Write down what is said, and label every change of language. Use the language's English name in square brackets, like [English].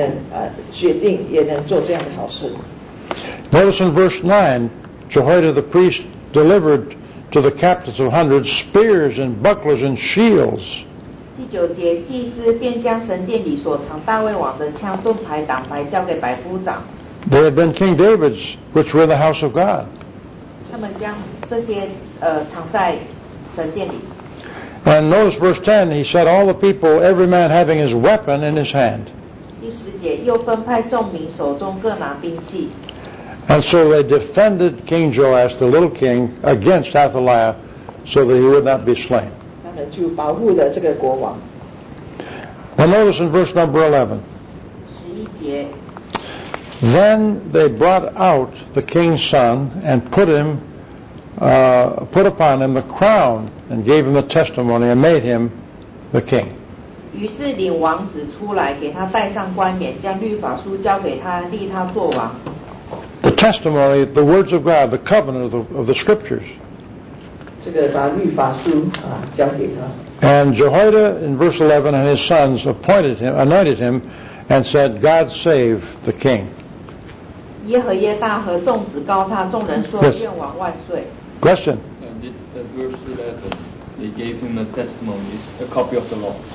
[Chinese] 这个祭司耶和耶大呢,却是有聪明有智慧,也能决定,也能做这样的好事。 [English] Notice in verse 9, Jehoiada the priest delivered to the captains of hundreds spears and bucklers and shields. [Chinese] 第九节,祭司便将神殿里所藏大卫王的枪盾牌挡牌交给百夫长。 [English] They had been King David's, which were the house of God. [Chinese] 他们将这些藏在神殿里。 [English] And notice verse 10, he said, all the people, every man having his weapon in his hand. [Chinese] 第十节,又分派众民手中各拿兵器。 [English] And so they defended King Joash, the little king, against Athaliah, so that he would not be slain. And notice in verse number 11. [Chinese] 11节, [English] then they brought out the king's son and put upon him the crown and gave him the testimony and made him the king. [Chinese] 于是领王子出来给他戴上冠冕，将律法书交给他，立他做王。 [English] The testimony, the words of God, the covenant of the scriptures. [Chinese] 这个把律法书啊交给他。 [English] And Jehoiada in verse 11 and his sons appointed him, anointed him, and said, "God save the king." [Chinese] 耶和耶大和众子高他，众人说：“愿王万岁。” [English] Question. And verse 11. they gave him a testimony, a copy of the law.